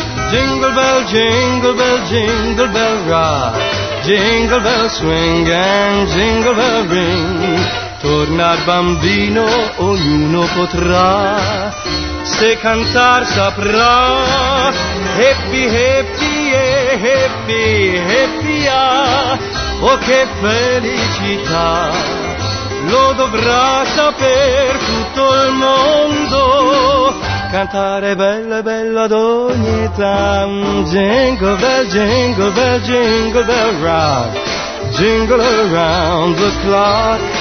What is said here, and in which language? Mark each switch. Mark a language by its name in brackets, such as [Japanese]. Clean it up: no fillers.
[English] Jingle bell, jingle bell, jingle bell rock, jingle bell swing and jingle bell ring. [Italian] Tornar bambino ognuno potrà, se cantar saprà. [English] Happy, happy, yeah, happy, happy, yeah. [Italian] Oh, che felicità. Lo dovrà saper tutto il mondo, cantare bella e bella ad ogni età. [English] Jingle bell, jingle bell, jingle bell rock, jingle around the clock.